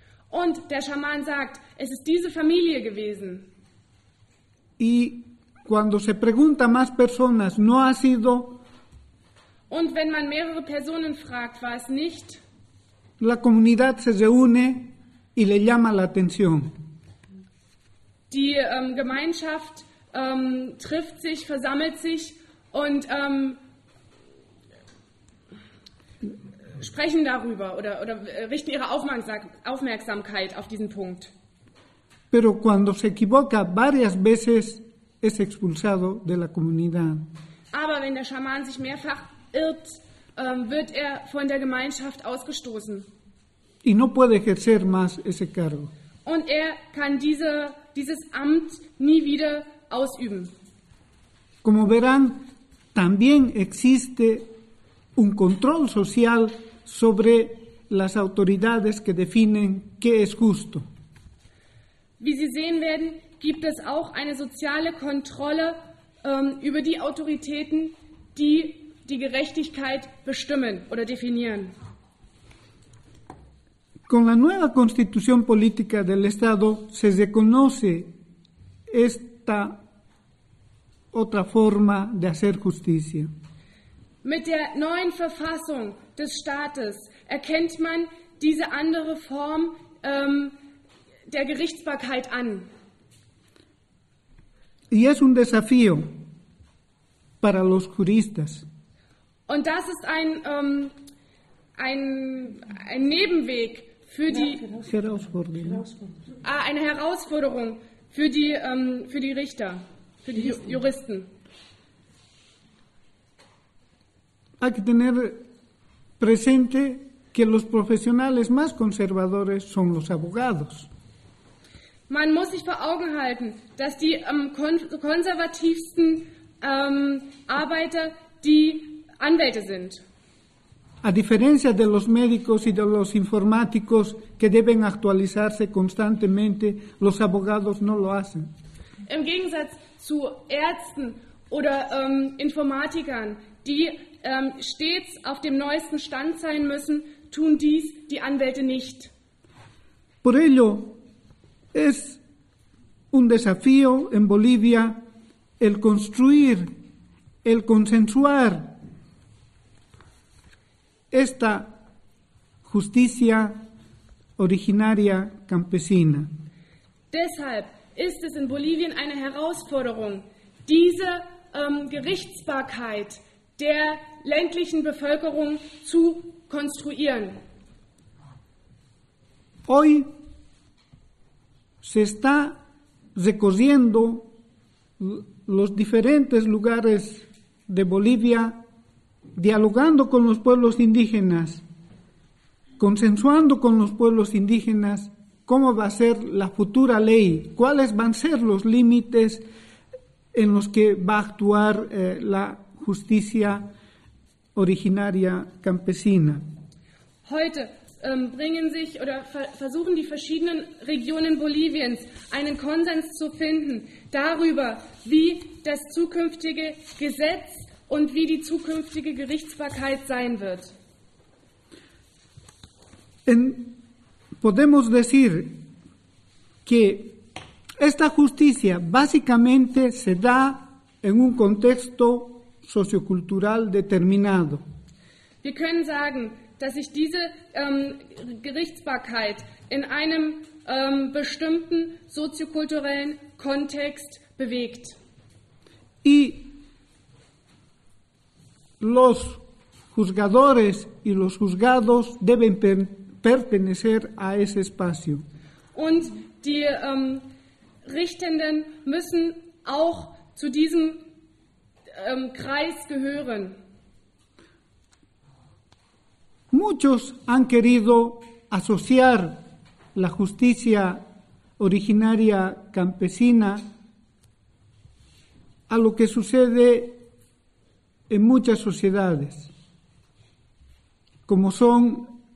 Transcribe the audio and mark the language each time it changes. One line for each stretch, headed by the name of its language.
German: Und der Schaman sagt, es ist diese Familie gewesen.
Spanish: Y cuando se pregunta más personas, no ha sido.
German: Und wenn man mehrere Personen fragt, war es nicht.
Spanish: La comunidad se reúne y le llama la atención.
German: Die Gemeinschaft trifft sich, versammelt sich und sprechen darüber oder richten ihre Aufmerksamkeit auf diesen Punkt.
Spanish: Pero cuando se equivoca varias veces, es expulsado de la comunidad.
German: Aber wenn der Schaman sich mehrfach irrt, wird er von der Gemeinschaft ausgestoßen.
Spanish: Y no puede ejercer más ese cargo.
German: Und er kann dieses Amt nie wieder ausüben.
Spanish: Como verán, también existe un control social sobre las autoridades que definen qué es justo.
German: Wie Sie sehen werden, gibt es auch eine soziale Kontrolle über die Autoritäten, die die Gerechtigkeit bestimmen oder definieren.
Spanish: Con la nueva constitución política del Estado se reconoce esta otra forma de hacer justicia.
German: Mit der neuen Verfassung des Staates erkennt man diese andere Form der Gerichtsbarkeit an.
Spanish: Y es un desafío para los juristas.
German: Und das ist ein Nebenweg für die Herausforderung. Eine Herausforderung für die Richter, für die Juristen.
Spanish: Hay que tener presente que los profesionales más conservadores son los abogados.
German: Man muss sich vor Augen halten, dass die konservativsten Arbeiter die Anwälte sind.
Spanish: A diferencia de los médicos y de los informáticos que deben actualizarse constantemente, los abogados no lo hacen.
German: Im Gegensatz zu Ärzten oder Informatikern, die stets auf dem neuesten Stand sein müssen, tun dies die Anwälte nicht.
Spanish: Por ello, es un desafío en Bolivia el construir, el consensuar esta justicia originaria campesina.
German: Deshalb ist es in Bolivien eine Herausforderung, diese Gerichtsbarkeit der ländlichen Bevölkerung zu konstruieren.
Spanish: Hoy se está recorriendo los diferentes lugares de Bolivia, dialogando con los pueblos indígenas, consensuando con los pueblos indígenas cómo va a ser la futura ley, cuáles van a ser los límites en los que va a actuar la justicia originaria campesina.
German: Heute bringen sich oder versuchen die verschiedenen Regionen Boliviens einen Konsens zu finden darüber, wie das zukünftige Gesetz und wie die zukünftige Gerichtsbarkeit sein wird.
Spanish: Podemos decir que esta justicia básicamente se da en un contexto sociocultural determinado.
German: Wir können sagen, dass sich diese Gerichtsbarkeit in einem bestimmten soziokulturellen Kontext bewegt.
Spanish: Y los juzgadores y los juzgados deben pertenecer a ese espacio.
German: Und die Richtenden müssen auch zu diesem Kreis gehören.
Spanish: Muchos han querido asociar la justicia originaria campesina a lo que sucede en muchas sociedades, como son